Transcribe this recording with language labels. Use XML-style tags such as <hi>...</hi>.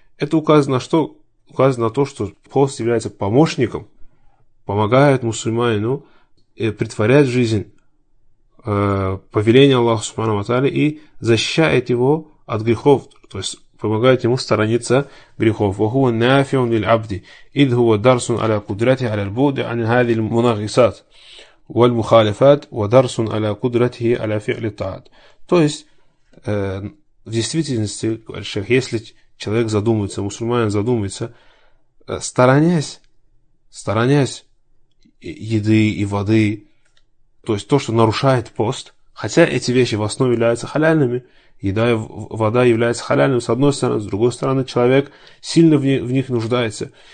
<ru>Это указывает на что? Указывает на то, что пост является помощником, помогает мусульманину претворять в жизнь повеление Аллаха Субхану ва Тааля и защищает его от грехов. То есть помогает ему сторониться грехов.</ru> <ar>وهو نافع للعبد إذ هو درس على قدرته على البعد عن هذه المناغصات والمخالفات ودرس على قدرته على فعل الطاعات.</ar> <ru>То есть в действительности, если человек задумается, мусульманин задумается, стараясь еды и воды, то есть то, что нарушает пост, хотя эти вещи в основе являются халяльными, еда и вода являются халяльными с одной стороны, с другой стороны человек сильно в них нуждается.</ru>